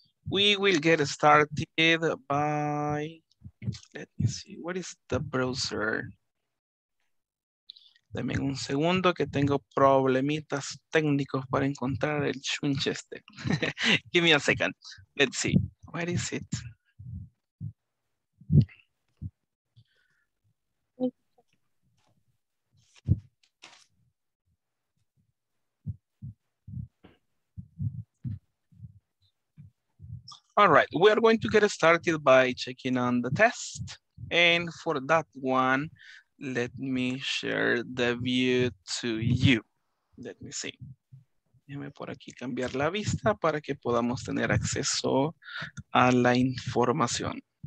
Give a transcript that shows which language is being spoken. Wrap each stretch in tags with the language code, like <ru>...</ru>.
<en>We will get started by, let me see, what is the browser?</en> <es>Dame un segundo que tengo problemitas técnicos para encontrar el chunchester.</es> <en>Give me a second. Let's see, where is it? All right, we are going to get started by checking on the test. And for that one, let me share the view to you. Let me see.</en> <es>Déjame por aquí cambiar la vista para que podamos tener acceso a la información.</es>